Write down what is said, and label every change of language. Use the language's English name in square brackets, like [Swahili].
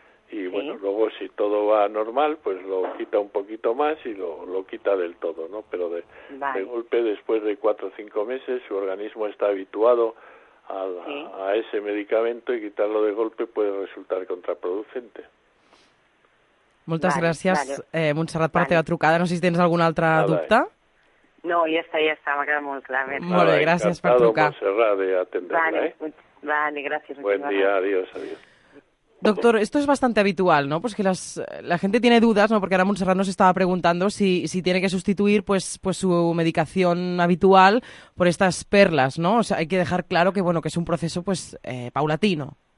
[Spanish] Y bueno, luego si todo va normal, pues lo quita un poquito más y lo quita del todo, ¿no? Pero de golpe, después de 4 o 5 meses, su organismo está habituado a ese medicamento, y quitarlo de golpe puede resultar contraproducente. [Catalan] Moltes gràcies, Montserrat, per la teva trucada. No sé si tens algun altre dubte. No, ja està, m'ha quedat molt clar. Molt bé, gràcies per trucar. Montserrat, de atendre-la, Vale, gràcies. [Spanish] Buen dia, adiós. Doctor, esto es bastante habitual, ¿no? Pues que la gente tiene dudas, ¿no? Porque ahora Montserrat nos estaba preguntando si tiene que sustituir pues su medicación habitual por estas perlas, ¿no? O sea, hay que dejar claro que, bueno, que es un proceso paulatino.